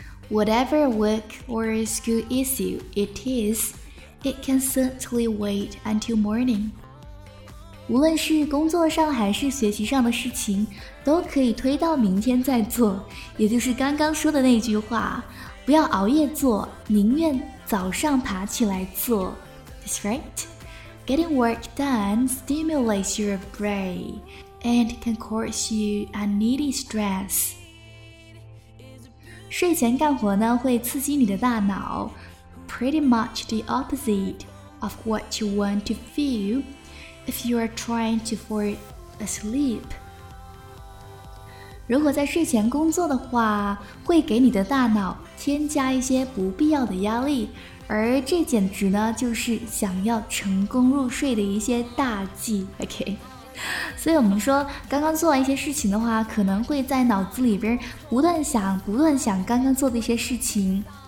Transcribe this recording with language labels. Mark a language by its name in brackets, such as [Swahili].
[English] Whatever work or school issue it is, it can certainly wait until morning. [Chinese] 无论是工作上还是学习上的事情，都可以推到明天再做，也就是刚刚说的那句话，不要熬夜做，宁愿早上爬起来做。 [English] That's right. Getting work done stimulates your brain and can cause you unneeded stress. [Chinese] 睡前干活呢，会刺激你的大脑。 [English] Pretty much the opposite of what you want to feel if you are trying to fall asleep. [Chinese] 如果在睡前工作的话，会给你的大脑添加一些不必要的压力，而这简直呢，就是想要成功入睡的一些大忌。 [English] OK。 [Chinese] 所以我们说刚刚做完一些事情的话，可能会在脑子里边不断想不断想刚刚做的一些事情。